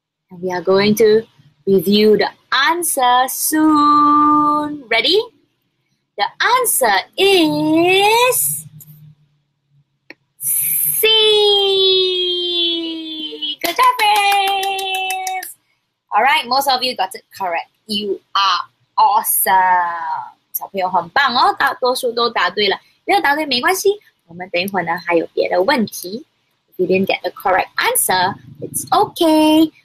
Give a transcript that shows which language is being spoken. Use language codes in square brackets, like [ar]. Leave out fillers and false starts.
[en] And we are going to review the answer soon. Ready? The answer is C. Good job, friends. All right, most of you got it correct. You are awesome. [zh] 小朋友很棒哦，大多数都答对了。没有答对没关系，我们等一会儿呢还有别的问题。 [en] If you didn't get the correct answer, it's okay.